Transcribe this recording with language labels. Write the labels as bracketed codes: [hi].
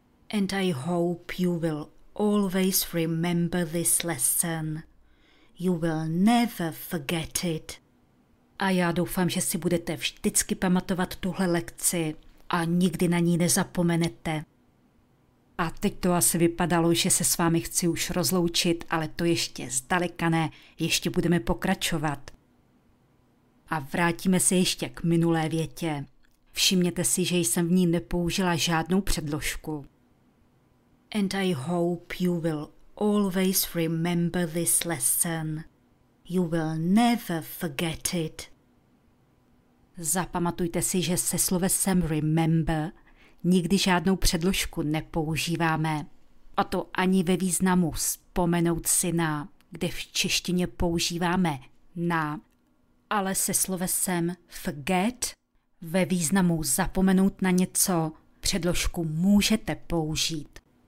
[en] And I hope you will always remember this lesson. You will never forget it. [cs] A já doufám, že si budete vždycky pamatovat tuhle lekci a nikdy na ní nezapomenete. A teď to asi vypadalo, že se s vámi chci už rozloučit, ale to ještě zdaleka ne, ještě budeme pokračovat. A vrátíme se ještě k minulé větě. Všimněte si, že jsem v ní nepoužila žádnou předložku. [en] And I hope you will always remember this lesson. You will never forget it. [cs] Zapamatujte si, že se slovesem remember nikdy žádnou předložku nepoužíváme, a to ani ve významu vzpomenout si na, kde v češtině používáme na, ale se slovesem forget ve významu zapomenout na něco předložku můžete použít.